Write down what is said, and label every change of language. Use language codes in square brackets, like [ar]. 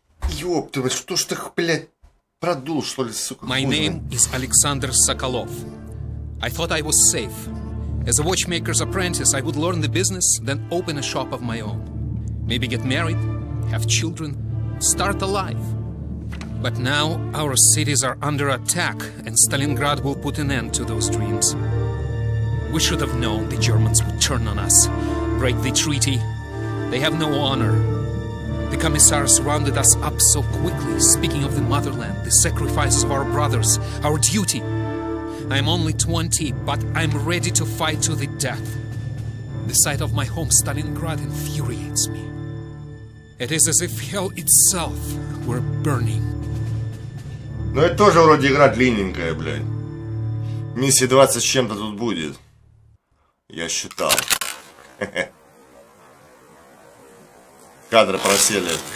[ru] Ёпты, что ж ты, блядь, продул, что ли, сука? [en] My name is Alexander Sokolov. I thought I was safe. As a watchmaker's apprentice, I would learn the business, then open a shop of my own. Maybe get married, have children, start a life. But now our cities are under attack, and Stalingrad will put an end to those dreams. We should have known the Germans would turn on us, break the treaty. They have no honor. The commissars rounded us up so quickly, speaking of the motherland, the sacrifices of our brothers, our duty. I am only 20, but I'm ready to fight to the death. The sight of my home, Stalingrad, infuriates me. It is as if hell itself were burning. [ru] Ну это тоже вроде игра длинненькая, блядь. Миссии 20 с чем-то тут будет. Я считал. Кадры просели.